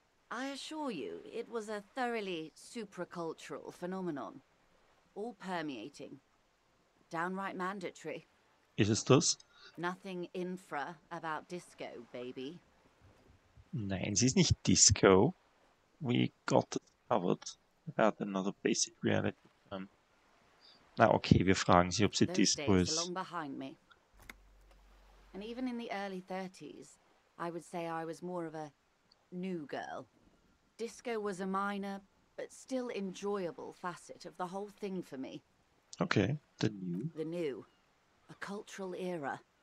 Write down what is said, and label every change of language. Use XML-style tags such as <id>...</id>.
<en>I assure you, it was a thoroughly supracultural phenomenon. All permeating, Downright mandatory.</en> <de>Ist es das?</de> <en>Nothing infra about disco, baby.</en> <de>Nein, sie ist nicht Disco.</de> <en>We got it covered about another basic reality.</en> <de>Na okay, wir fragen sie, ob sie Disco ist.</de> <en>Long behind me. And even in the early 30s, I would say I was more of a new girl. Disco was a minor, but still enjoyable facet of the whole thing for me. Okay, the new. The new. A cultural era.</en>